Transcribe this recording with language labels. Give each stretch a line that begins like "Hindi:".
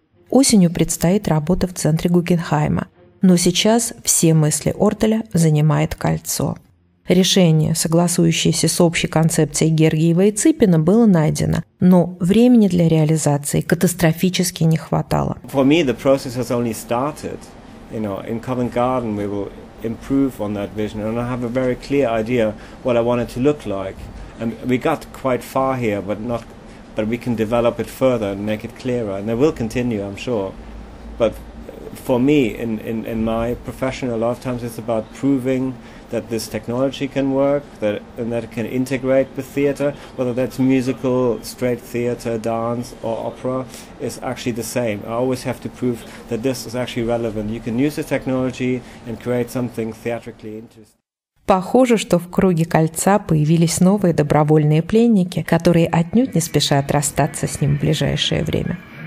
Russian: Осенью предстоит работа в центре Гуггенхайма, но сейчас все мысли Ортеля занимает кольцо. Решение, согласующееся с общей концепцией Гергиева и Цыпина, было найдено, но времени для реализации катастрофически не хватало.
English: For me, the process has only started. You know, in Covent Garden we will improve on that vision, and I have a very clear idea what I want it to look like. And we got quite far here, but not. But we can develop it further and make it clearer, and it will continue, I'm sure. But for me, in my profession, a lot of times it's about proving that this technology can work, that and that it can integrate with theater, whether that's musical, straight theater, dance, or opera, is actually the same. I always have to prove that this is actually relevant. You can use the technology and create something theatrically interesting.
Russian: Похоже, что в круге кольца появились новые добровольные пленники, которые отнюдь не спешат расстаться с ним в ближайшее время.